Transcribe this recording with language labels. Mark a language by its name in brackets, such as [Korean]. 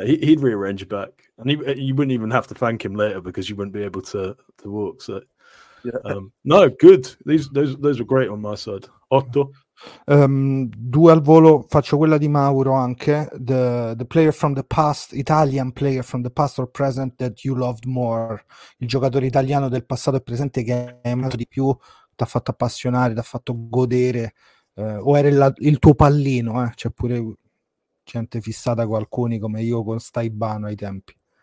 [English] He'd rearrange back, and you wouldn't even have to thank him later because you wouldn't be able to walk. So, yeah. No, good. Those were great on my side. Otto. [Italian] Due al volo, faccio quella di Mauro anche. [English] The player from the past, Italian player from the past or present that you loved more. [Italian] Il giocatore italiano del passato e presente che hai amato di più, ti ha fatto appassionare, ti ha fatto godere, o era il tuo pallino, eh? C'è pure gente fissata con alcuni come io con Staibano ai tempi.